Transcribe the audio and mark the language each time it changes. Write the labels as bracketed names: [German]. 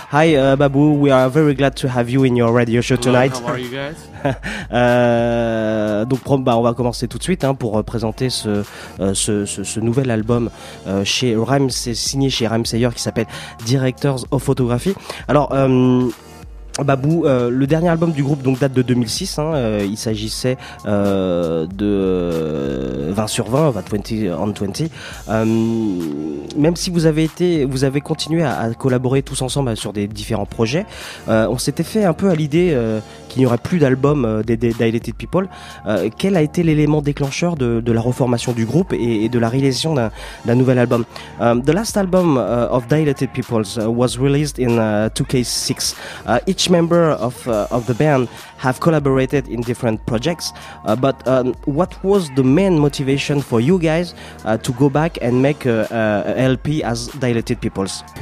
[English] Hi Babu, we are very glad to have you in your radio show tonight. Hello, how are you guys? [French] on va commencer tout de suite pour présenter ce nouvel album chez Rhyme, c'est signé chez Rhyme Sayer qui s'appelle Directors of Photography. Alors Babu, le dernier album du groupe donc date de 2006, il s'agissait de 20 sur 20, 20 on 20. Même si vous avez continué à collaborer tous ensemble sur des différents projets, on s'était fait un peu à l'idée qu'il n'y aurait plus d'album des Dilated People. Quel a été l'élément déclencheur de la reformation du groupe et de la réalisation d'un nouvel album? [English] The last album of Dilated People was released in 2006. Each member of the band have collaborated in different projects, but what was the main motivation for you guys to go back and make a LP as Dilated Peoples?